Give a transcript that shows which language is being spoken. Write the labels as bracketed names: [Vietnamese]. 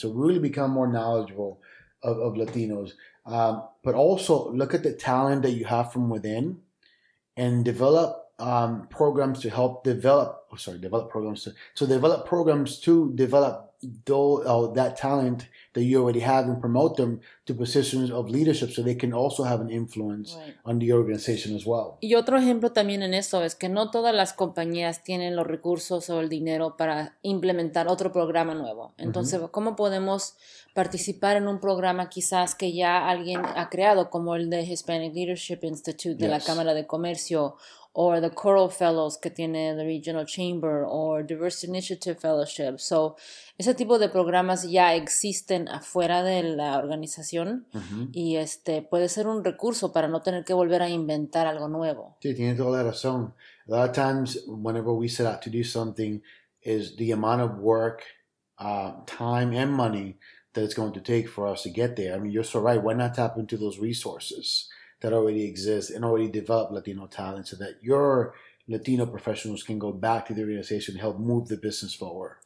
[English] So really become more knowledgeable of Latinos. But also look at the talent that you have from within and develop programs to help develop, develop programs to develop that talent that you already have and promote them to positions of leadership so they can also have an influence, right, on the organization as well. [Spanish] Y otro ejemplo también en eso es que no todas las compañías tienen los recursos o el dinero para implementar otro programa nuevo. Entonces, mm-hmm, ¿cómo podemos participar en un programa quizás que ya alguien ha creado como el de Hispanic Leadership Institute de, yes, la Cámara de Comercio o the Coral Fellows que tiene the Regional Chamber o Diversity Initiative Fellowship? So, ese tipo de programas ya existen afuera de la organización, uh-huh, y puede ser un recurso para no tener que volver a inventar algo nuevo. Sí, tiene toda la razón. [English] A lot of times, whenever we set out to do something, is the amount of work, time and money that it's going to take for us to get there. I mean, you're so right. Why not tap into those resources that already exist and already develop Latino talent so that your Latino professionals can go back to the organization and help move the business forward?